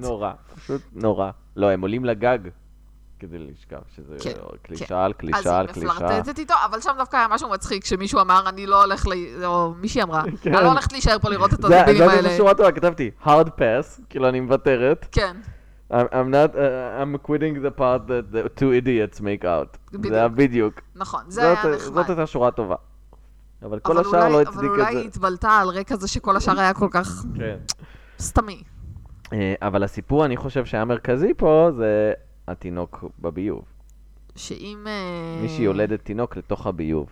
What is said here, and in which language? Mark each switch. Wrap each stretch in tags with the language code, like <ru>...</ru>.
<he>נורא, פשוט נורא. לא, הם עולים לגג כדי לשכב, שזה כן, קלישה כן. על קלישה על קלישה. אז היא מפלרטטת איתו, אבל שם דווקא היה משהו מצחיק, שמישהו אמר, אני לא הולך ל... או מישהי אמרה, כן. אני לא הולכת להישאר פה לראות את הדיבים האלה. זה איזה שורה טובה, כתבתי,</he> <en>hard pass,</en> <he>כאילו אני מבטרת. כן.</he> <en>I'm quitting the part that the two idiots make out.</en> <he>זה היה בדיוק. נכון, זה היה נחמד. זאת הייתה שורה טובה. אבל כל השאר לא הצדיק את זה. אבל אולי התבלטה על רקע זה שכל השאר היה כל כך סתמי. אבל הסיפור אני חושב שהיה מרכזי פה זה התינוק בביוב. שאם... מישהי יולדת תינוק לתוך הביוב.</he>